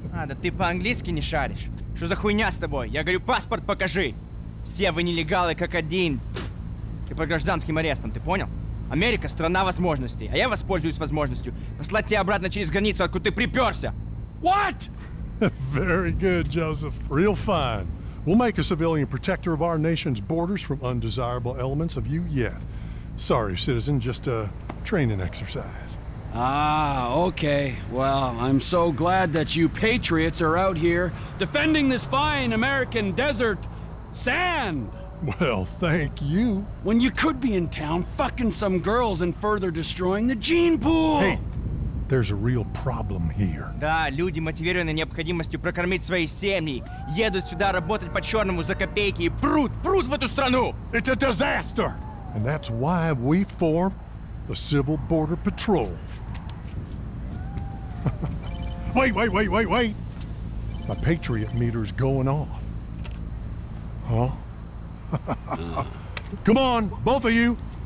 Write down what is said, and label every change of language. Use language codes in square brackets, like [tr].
[ru] А, да ты по-английски не шаришь. Что за хуйня с тобой? Я говорю, паспорт покажи. Все вы нелегалы как один. Ты под гражданским арестом, ты понял? Америка — страна возможностей, а я воспользуюсь возможностью послать тебя обратно через границу, откуда ты приперся. [en] What? Very good, Joseph. Real fine. We'll make a civilian protector of our nation's borders from undesirable elements of you yet. Sorry, citizen, just a training exercise. Ah, okay. Well, I'm so glad that you patriots are out here defending this fine American desert sand. Well, thank you. When you could be in town fucking some girls and further destroying the gene pool. Hey, there's a real problem here. [ru] Да, люди, мотивированные необходимостью прокормить свои семьи, едут сюда работать по черному за копейки и прут в эту страну. [en] It's a disaster. And that's why we form the Civil Border Patrol. Wait. My Patriot meter's going off. Huh? Come on, both of you.